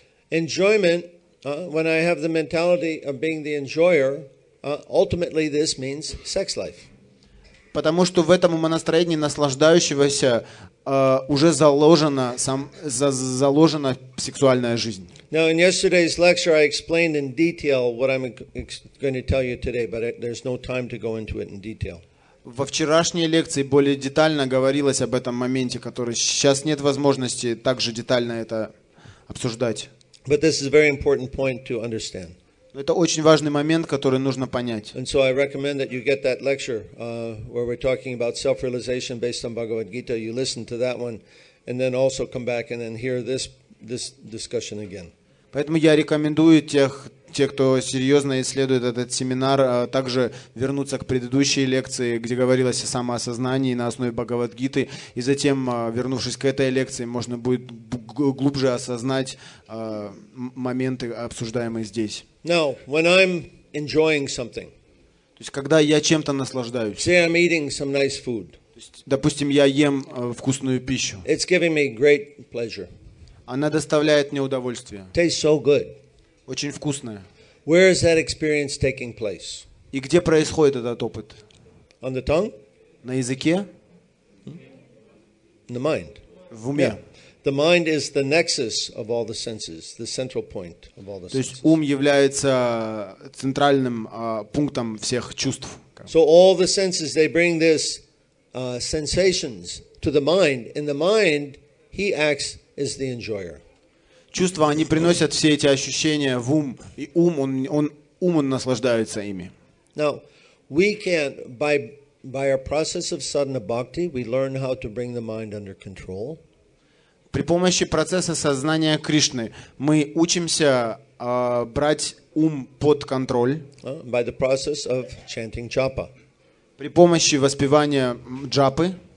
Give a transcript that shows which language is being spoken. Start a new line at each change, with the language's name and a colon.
English: Enjoyment. When I have the mentality of being the enjoyer, ultimately this means sex life.
Russian: Потому что в этом умонастроении наслаждающегося уже заложена сексуальная жизнь.
English: Now in yesterday's lecture I explained in detail what I'm going to tell you today, but there's no time to go into it in detail.
Russian: Во вчерашней лекции более детально говорилось об этом моменте, который сейчас нет возможности также детально это обсуждать.
English: But this is a very important point to understand.
Russian: Это очень важный момент, который нужно понять.
English: And so I recommend that you get that lecture where we're talking about self-realization based on Bhagavad Gita. You listen to that one, and then also come back and then hear this discussion again.
Russian: Поэтому я рекомендую те, кто серьезно исследует этот семинар, также вернуться к предыдущей лекции, где говорилось о самоосознании на основе Бхагавад-гиты, и затем, вернувшись к этой лекции, можно будет глубже осознать моменты, обсуждаемые здесь.
English: Now, when I'm enjoying something,
Russian: то есть, когда я чем-то наслаждаюсь,
English: say I'm eating some nice food,
Russian: то есть, допустим, я ем вкусную пищу,
English: it's giving me great pleasure.
Russian: Она доставляет мне удовольствие.
English: Tastes so good.
Russian: Очень вкусное.
English: Where is that experience taking place?
Russian: И где происходит этот опыт?
English: On the tongue?
Russian: На языке?
English: In the mind.
Russian: В уме.
English: Yeah. The mind is the nexus of all the senses, the central point of all the senses.
Russian: То есть ум является центральным пунктом всех чувств.
English: So all the senses, they bring this sensations to the mind. In the mind, he acts as the enjoyer.
Russian: Чувства, они приносят все эти ощущения в ум, и ум наслаждается ими.
English: Now, we can by our process of sadhana bhakti, we learn how to bring the mind under control.
Russian: При помощи процесса сознания Кришны мы учимся брать ум под контроль
English: by the process of chanting japa.
Russian: При помощи воспевания джапы.